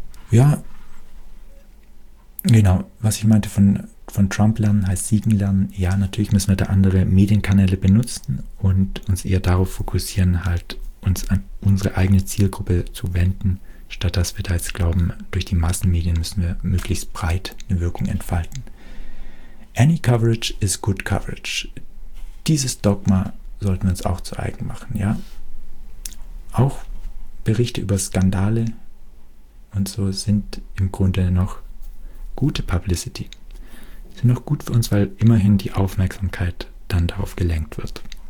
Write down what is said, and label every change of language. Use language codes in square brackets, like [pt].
[de] Ja, genau, was ich meinte von Trump lernen, heißt siegen lernen. Ja, natürlich müssen wir da andere Medienkanäle benutzen und uns eher darauf fokussieren, halt uns an unsere eigene Zielgruppe zu wenden, statt dass wir da jetzt glauben, durch die Massenmedien müssen wir möglichst breit eine Wirkung entfalten. [en] Any coverage is good coverage. [de] Dieses Dogma sollten wir uns auch zu eigen machen, ja. Auch Berichte über Skandale und so sind im Grunde noch gute Publicity. Sind noch gut für uns, weil immerhin die Aufmerksamkeit dann darauf gelenkt wird.